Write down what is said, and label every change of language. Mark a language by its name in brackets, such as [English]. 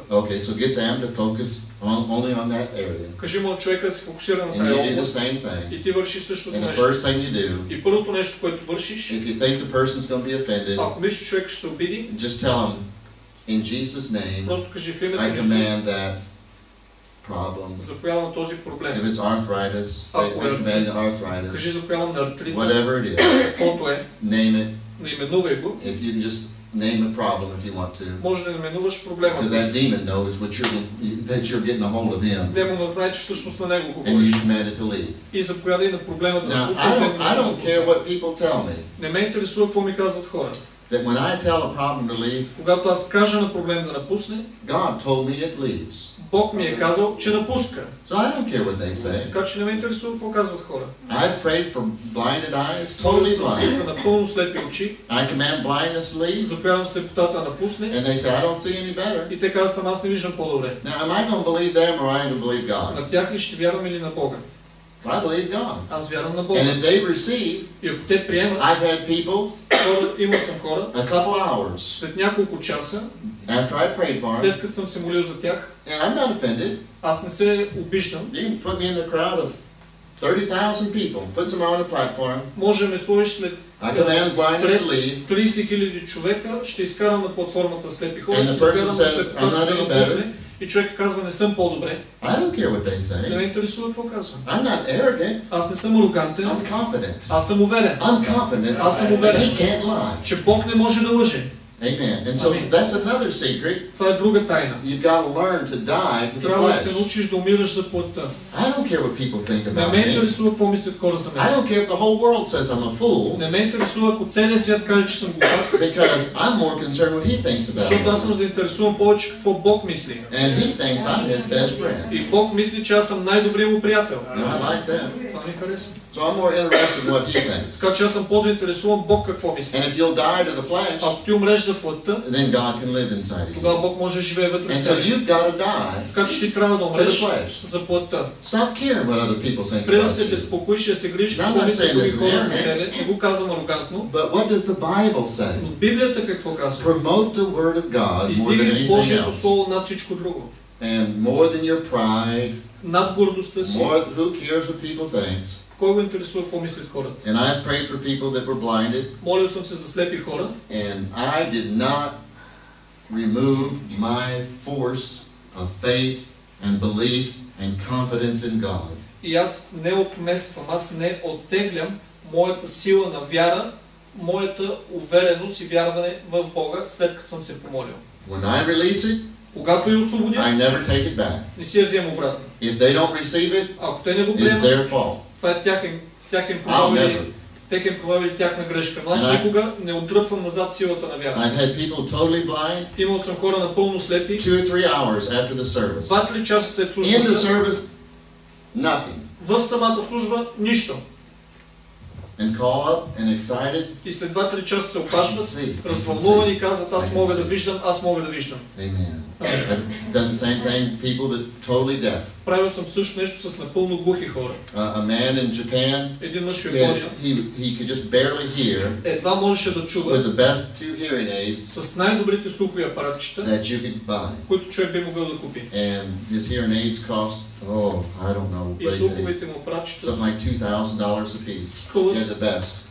[English] Okay, so get them to focus only on that area. [Bulgarian] Кажи му, човека да се фокусира на тази област. И ти върши същото нещо. [English] First thing you do, [Bulgarian] и първото нещо, което вършиш, [English] if you think the person's gonna be offended, [Bulgarian] ако мислиш, че човек ще се обиди, [English] just tell him, in Jesus name, [Bulgarian] просто кажи в името на Исус, [English] I command that problem. [Bulgarian] Запоявам този проблем. [English] If it's arthritis, say, bad arthritis. [Bulgarian] Кажи запоявам на артрит. [English] Whatever it is. [Bulgarian] Каквото е. [English] Name it. [Bulgarian] Наименувай го. [English] If you can just name the problem if you want to. [Bulgarian] Може да наименуваш проблема. [English] Because that demon knows what you're getting a hold of him. [Bulgarian] Демонът знае, че всъщност на него говориш. [English] And you command it to leave. [Bulgarian] И запоявай на проблема да напусне. [English] Now, I don't care what people tell me. [Bulgarian] Не ме интересува какво ми казват хората. [English] That when I tell a problem to leave, [Bulgarian] когато аз кажа на проблем да напусне, [English] God told me it leaves. [Bulgarian] Бог ми е казал, че напуска. [English] So I don't care what they say. [Bulgarian] Така че не ме интересува какво казват хора. [English] I've prayed for blinded eyes, totally blind. [Bulgarian] Съм се напълно слепи очи. [English] I command blindness to leave. [Bulgarian] Запоявам слепотата да напусне. [English] And they say, I don't see any better. [Bulgarian] И те казват, аз не виждам по-добре. [English] Now, am I gonna believe them or am I gonna believe God? [Bulgarian] На тях ли ще вярвам или на Бога? [English] I believe God. [Bulgarian] Аз вярвам на Бога. [English] And if they receive, [Bulgarian] и ако те приемат, [English] I've had people, [Bulgarian] имал съм хора, [English] a couple hours, [Bulgarian] след няколко часа, [English] after I prayed for them, [Bulgarian] след като съм се молил за тях, [English] and I'm not offended. [Bulgarian] Аз не се обиждам. [English] You can put me in a crowd of 30,000 people, put some on a platform. [Bulgarian] Може ме сложиш след [English] I command blindness to leave. [Bulgarian] 30 000 човека ще изкарам на платформата слепи хора. [English] And the person says, I'm not any better. [Bulgarian] И човек казва, не съм по-добре. [English] I don't care what they say. [Bulgarian] Не ме интересува какво казва. [English] I'm not arrogant. [Bulgarian] Аз не съм арогантен. [English] I'm confident. [Bulgarian] Аз съм уверен. [English] I'm confident. [Bulgarian] Аз съм уверен. [English] He can't lie. [Bulgarian] Че Бог не може да лъже. [English] Amen. And so that's another secret. [Bulgarian] Това е друга тайна. [English] You've got to learn to die to the flesh. [Bulgarian] Трябва да се научиш да умираш за плътта. [English] I don't care what people think about me. [Bulgarian] Не ме интересува какво мислят хора за мен. [English] I don't care if the whole world says I'm a fool. [Bulgarian] Не ме интересува ако целият свят каже, че съм глупак. [English] Because I'm more concerned what he thinks about me. [Bulgarian] Защото аз съм заинтересуван повече какво Бог мисли. [English] And he thinks I'm his best friend. [Bulgarian] И Бог мисли, че аз съм най-добрият му приятел. [English] And I like that. [Bulgarian] Ми [English] so I'm more interested in what he thinks. [Bulgarian] Така че аз съм по-заинтересуван Бог какво мисли. [English] And if you'll die to the flesh, [Bulgarian] ако ти умреш за плътта, [English] then God can live inside you. [Bulgarian] Тогава Бог може да живее вътре. [English] And so you've got to die. [Bulgarian] Така че ти трябва да умреш за плътта. [English] Stop caring what other people think. [Bulgarian] Спри да се безпокоиш и да се грижиш какво мислят други хора за тебе. Не го казвам арогантно. [English] But what does the Bible say? [Bulgarian] Но Библията какво казва? [English] Promote the word of God more than anything else. [Bulgarian] Издигай Божието слово над всичко друго. [English] And more than your pride. [Bulgarian] Над гордостта си. [English] More, who cares what people think? [Bulgarian] Кой го интересува какво мислят хората? [English] And I have prayed for people that were blinded. [Bulgarian] Молил съм се за слепи хора. [English] And I did not remove my force of faith and belief and confidence in God. [Bulgarian] И аз не отмествам, аз не оттеглям моята сила на вяра, моята увереност и вярване в Бога, след като съм се помолил. [English] When I release it, [Bulgarian] когато я освободя, [English] I never take it back. [Bulgarian] Не си я взема обратно. [English] If they don't receive it, [Bulgarian] ако те не го приемат, [English] it's their fault. [Bulgarian] Това е тяхен провал или тяхна грешка. Аз никога не отдръпвам назад силата на вяра. [English] I've had people totally blind. [Bulgarian] Имал съм хора напълно слепи. [English] 2-3 hours after the service. [Bulgarian] 2-3 часа след службата. [English] In the service, nothing. [Bulgarian] В самата служба нищо. [English] And call up and excited. [Bulgarian] И след 2-3 часа се опашват, развълнуван и казват, аз мога да виждам, аз мога да виждам. [English] Amen. I've done the same thing with people that are totally deaf. [Bulgarian] Правил съм също нещо с напълно глухи хора. [English] A man in Japan, [Bulgarian] един мъж в Япония, [English] he could just barely hear, [Bulgarian] едва можеше да чува, [English] with the best two hearing aids, [Bulgarian] с най-добрите слухови апаратчета, [English] that you could buy, [Bulgarian] които човек би могъл да купи. [English] And his hearing aids cost, oh, I don't know, [Bulgarian] и слуховите му апаратчета, [English] something like $2,000 a piece, he has the best.